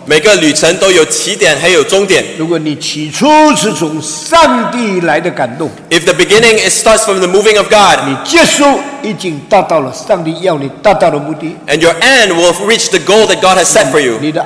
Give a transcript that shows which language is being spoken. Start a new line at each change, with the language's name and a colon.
Chinese: 每个旅程都有起点还有终点。如果你起初是从上帝来的感动,
English: if the beginning it starts from the moving of God,
Chinese: 你结束已经达到了上帝要你达到的目的,
English: and your end will reach the goal that God has set for you.